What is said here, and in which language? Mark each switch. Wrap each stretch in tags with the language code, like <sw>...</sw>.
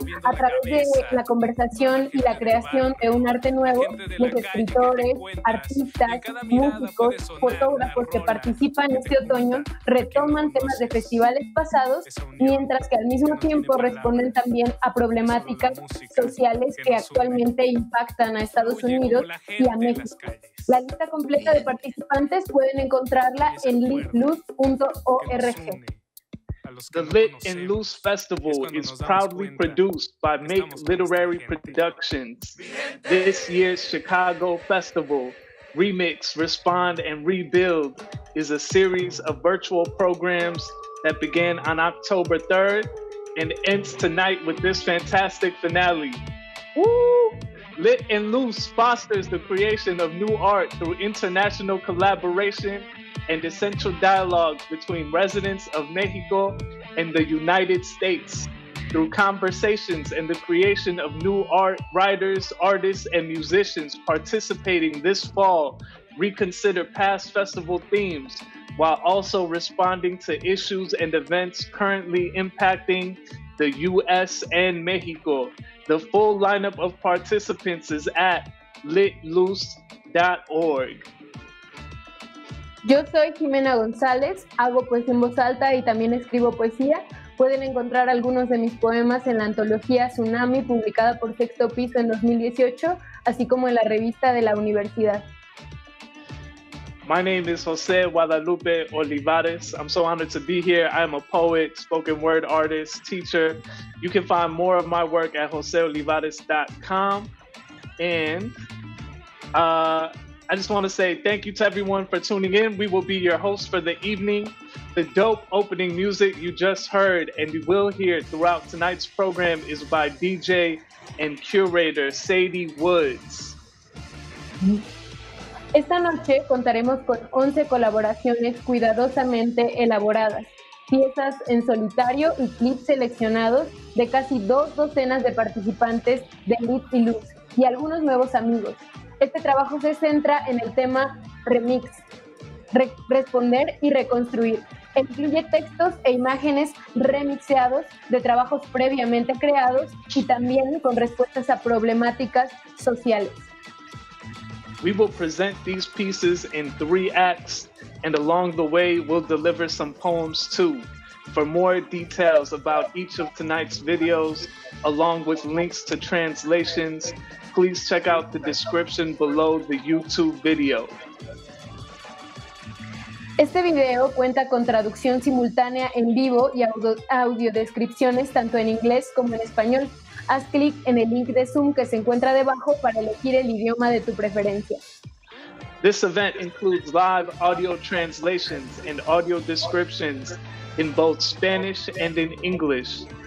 <es>A través de la conversación y la creación de un arte nuevo, los escritores, artistas, músicos, fotógrafos que participan este otoño retoman temas de festivales pasados, mientras que al mismo tiempo responden también a problemáticas sociales que actualmente impactan a Estados Unidos y a México. La lista completa de participantes pueden encontrarla en litluz.org.</es> <en>The Lit and Loose Festival is proudly produced by Make Literary Productions. This year's Chicago Festival, Remix, Respond, and Rebuild is a series of virtual programs that began on October 3rd and ends tonight with this fantastic finale. Woo! Lit and Loose fosters the creation of new art through international collaboration and essential dialogue between residents of Mexico and the United States through conversations and the creation of new art writers, artists, and musicians participating this fall reconsider past festival themes while also responding to issues and events currently impacting the U.S. and Mexico. The full lineup of participants is at litloose.org.</en> <es>Yo soy Jimena González, hago poesía en voz alta y también escribo poesía. Pueden encontrar algunos de mis poemas en la antología Tsunami, publicada por Sexto Piso en 2018, así como en la revista de la universidad.</es> <en>My name is José Guadalupe Olivares. I'm so honored to be here. I am a poet, spoken word artist, teacher. You can find more of my work at joseolivares.com. I just want to say thank you to everyone for tuning in. We will be your hosts for the evening. The dope opening music you just heard and you will hear throughout tonight's program is by DJ and curator Sadie Woods.</en> <es>Esta noche contaremos con 11 colaboraciones cuidadosamente elaboradas, piezas en solitario y clips seleccionados de casi 2 docenas de participantes de Lit y Luz y algunos nuevos amigos. Este trabajo se centra en el tema Remix, Responder y Reconstruir. Incluye textos e imágenes remixeados de trabajos previamente creados y también con respuestas a problemáticas sociales.</es> <en>We will present these pieces in 3 acts, and along the way we'll deliver some poems too. For more details about each of tonight's videos, along with links to translations, please check out the description below the YouTube video.</en> <es>Este video cuenta con traducción simultánea en vivo y audio descripciones tanto en inglés como en español. Haz clic en el link de Zoom que se encuentra debajo para elegir el idioma de tu preferencia.</es> <en>This event includes live audio translations and audio descriptions in both Spanish and in English.</en>